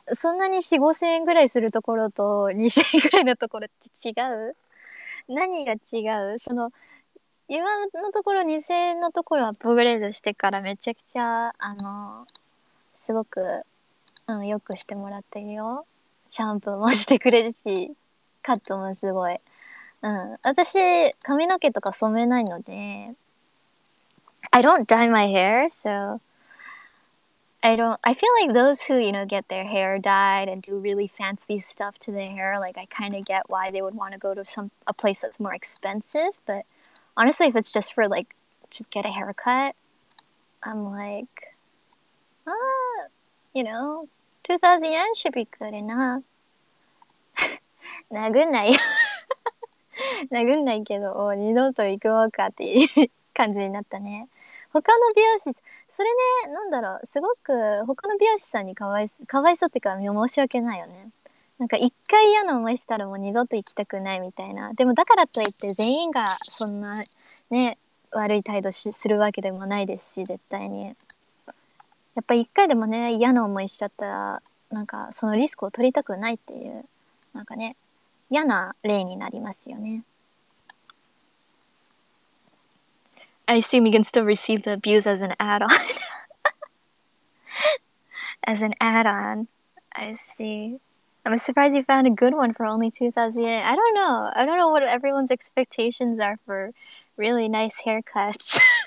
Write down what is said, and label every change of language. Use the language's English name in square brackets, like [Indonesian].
[Japanese] そんなに4,000、5,000円ぐらいするところと2,000円ぐらいのところって違う？何が違う？その、今のところ2,000円のところアップグレードしてからめちゃくちゃ、あの、すごく、うん、よくしてもらってるよ。シャンプーもしてくれるし、カットもすごい。うん、私、髪の毛とか染めないので、 [English] I don't dye my hair, so I feel like those who, you know, get their hair dyed and do really fancy stuff to their hair, like I kind of get why they would want to go to a place that's more expensive, but honestly, if it's just for like, just get a haircut, I'm like, you know, 2,000 yen should be good enough. [Japanese] 殴んないよ。殴んないけど、二度と行こうかっていう感じになったね。他の美容師、それね、なんだろう、すごく他の美容師さんにかわいそうってか、申し訳ないよね。なんか一回嫌な思いしたらもう二度と行きたくないみたいな。でもだからといって全員がそんなね、悪い態度するわけでもないですし、絶対に。やっぱ一回でもね、嫌な思いしちゃったら、なんかそのリスクを取りたくないっていう、なんかね、嫌な例になりますよね。 [English] I assume you can still receive the views as an add-on. As an add-on. I see. I'm surprised you found a good one for only 2,000 yen. I don't know. I don't know what everyone's expectations are for really nice haircuts.